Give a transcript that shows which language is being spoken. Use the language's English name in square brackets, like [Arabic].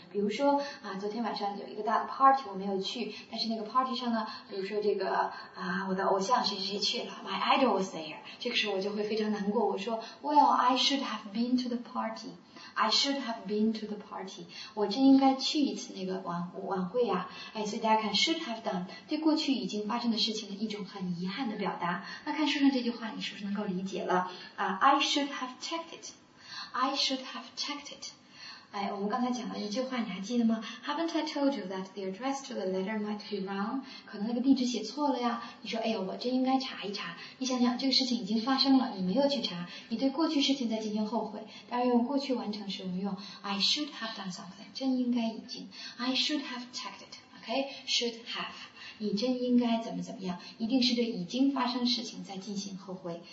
[Chinese] 比如说昨天晚上有一个大的 party 我没有去，但是那个 party 上呢，比如说这个我的偶像谁谁去了， [English] my idol was there， [Chinese] 这个时候我就会非常难过，我说 [English] well I should have been to the party， I should have been to the party， [Chinese] 我真应该去一次那个晚会啊。所以大家看 should have done 对过去已经发生的事情的一种很遗憾的表达。那看书上这句话你是不是能够理解了， [English] I should have checked it， [Chinese] I should have checked it，哎，我们刚才讲了一句话，你还记得吗？ [English] Haven't I told you that the address to the letter might be wrong? [Chinese] 可能那个地址写错了呀。你说，哎呦，我真应该查一查。你想想，这个事情已经发生了，你没有去查，你对过去事情在进行后悔。当然用过去完成时，我们用 [English] I should have done something， [Chinese] 真应该已经。 [English] I should have checked it， OK， should have。 [Chinese] 你真应该怎么怎么样，一定是对已经发生事情在进行后悔。